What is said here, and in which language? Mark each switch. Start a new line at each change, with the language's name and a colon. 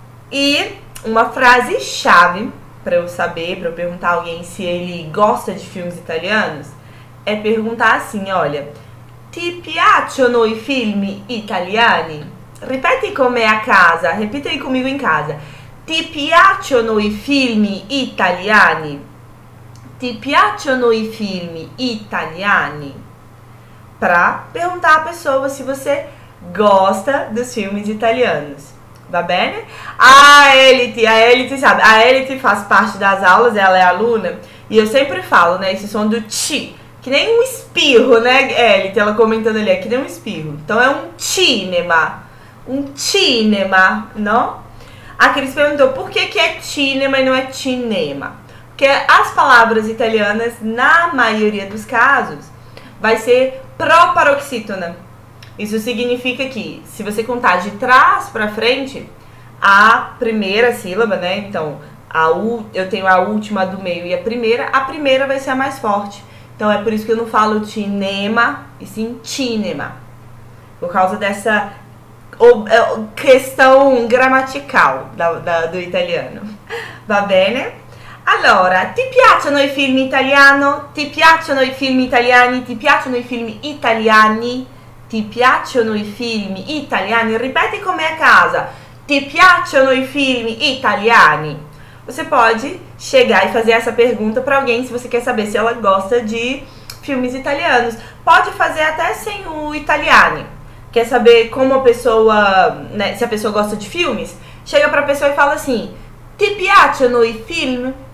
Portuguese: E uma frase chave para eu saber, para eu perguntar alguém se ele gosta de filmes italianos, é perguntar assim, olha,
Italian: ti piacciono i film italiani?
Portuguese: Repete com me a casa, repita aí comigo em casa.
Italian: Ti piacciono i film italiani? Ti piacciono i film italiani?
Portuguese: Para perguntar a pessoa se você gosta dos filmes italianos.
Italian: Va bene?
Portuguese: A Elite sabe, a Elite faz parte das aulas, ela é aluna, e eu sempre falo, né, esse som do ti, que nem um espirro, né, Elite, ela comentando ali, é que nem um espirro. Então é um cinema, cinema, no? Aqui eles perguntou por que que é cinema e não é cinema? Porque as palavras italianas, na maioria dos casos, vai ser pró-paroxítona. Isso significa que, se você contar de trás para frente, a primeira sílaba, né? Então, eu tenho a última do meio e a primeira vai ser a mais forte. Então, é por isso que eu não falo cinema, e sim cinema. Por causa dessa questão gramatical do italiano.
Italian: Va bene? Allora, ti piacciono i film italiano? Ti piacciono i film italiani? Ti piacciono i film italiani? Ti piacciono i film italiani? Ripeti con me a casa. Ti piacciono i film italiani?
Portuguese: Você pode chegar e fazer essa pergunta para alguém se você quer saber se ela gosta de filmes italianos. Pode fazer até sem o italiani. Quer saber como a pessoa, né, se a pessoa gosta de filmes? Chega para a pessoa e fala assim:
Italian: Ti piacciono i film?